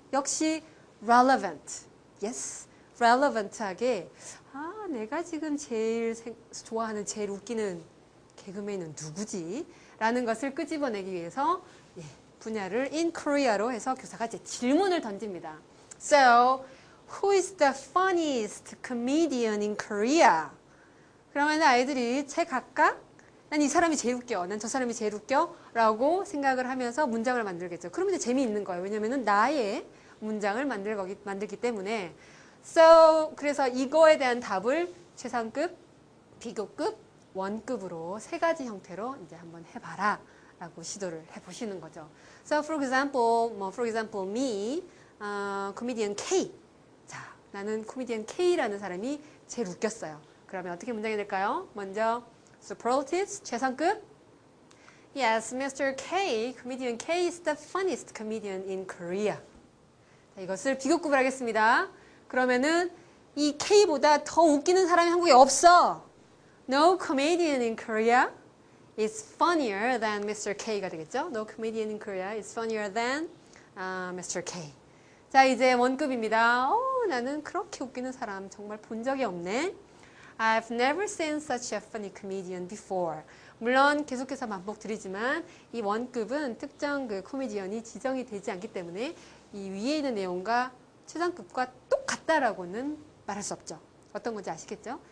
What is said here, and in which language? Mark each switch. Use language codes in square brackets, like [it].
[ko] 역시 relevant. Yes, relevant하게 아, 내가 지금 제일 좋아하는 제일 웃기는 개그맨은 누구지? 라는 것을 끄집어내기 위해서 예, 분야를 in Korea로 해서 교사가 이제 질문을 던집니다. [en] So, who is the funniest comedian in Korea? [ko] 그러면 아이들이 제각각 난 이 사람이 제일 웃겨. 난 저 사람이 제일 웃겨. 라고 생각을 하면서 문장을 만들겠죠. 그러면 이제 재미있는 거예요. 왜냐면은 나의 문장을 만들기 때문에. So, 그래서 이거에 대한 답을 최상급, 비교급, 원급으로 세 가지 형태로 이제 한번 해봐라. 라고 시도를 해보시는 거죠. [en] So, for example, 뭐, for example, me, comedian K. [ko] 자, 나는 comedian K라는 사람이 제일 웃겼어요. 그러면 어떻게 문장이 될까요? [en] 먼저, superlatives, 최상급. Yes, Mr. K, comedian K is the funniest comedian in Korea. [ko] 자, 이것을 비교급을 하겠습니다. 그러면은 이 K보다 더 웃기는 사람이 한국에 없어. [en] No comedian in Korea is funnier than Mr. [ko] K가 되겠죠? [en] No comedian in Korea is funnier than Mr. [ko] K. 자, 이제 원급입니다. 오, 나는 그렇게 웃기는 사람 정말 본 적이 없네. [en] I've never seen such a funny comedian before. [ko] 물론 계속해서 반복드리지만 이 원급은 특정 그 코미디언이 지정이 되지 않기 때문에 이 위에 있는 내용과 최상급과 똑같다라고는 말할 수 없죠. 어떤 건지 아시겠죠?